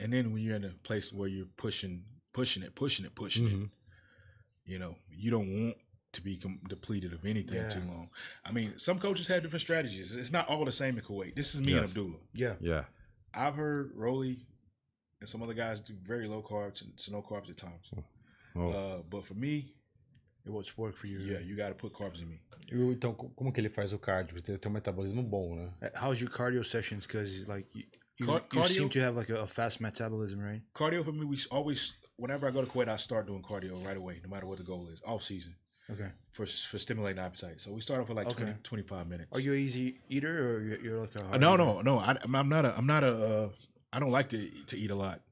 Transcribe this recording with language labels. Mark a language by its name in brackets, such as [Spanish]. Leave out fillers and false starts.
[English] And then when you're in a place where you're pushing it, you know, you don't want to be depleted of anything too long. I mean, some coaches have different strategies. It's not all the same in Kuwait. This is me and Abdullah. Yeah. Yeah. I've heard Rolly and some other guys do very low carbs and no carbs at times. Oh. But for me, it won't work for you. Yeah, you got to put carbs in me. [Portuguese] Então, como que ele faz o cardio? Tem um metabolismo bom, né? [English] How's your cardio sessions? Because like, You seem to have like a fast metabolism, right? Cardio for me, we always, whenever I go to Kuwait, I start doing cardio right away, no matter what the goal is, off season. Okay. For stimulating appetite. So we start off with like 25 minutes. Are you an easy eater or you're like a hard eater? No. I don't like to eat a lot.